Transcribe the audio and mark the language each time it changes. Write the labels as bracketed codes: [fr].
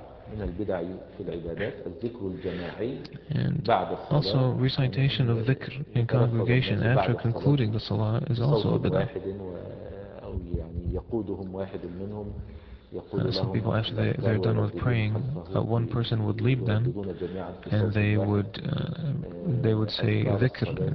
[ar] من البدع في العبادات الذكر الجماعي بعد الصلاة. [en] Also, recitation of dhikr in congregation after concluding the salah is also a bid'ah. [ar] أو يعني يقودهم واحد منهم. [en] Some people, after they're done with praying, one person would lead them, and they would say dhikr.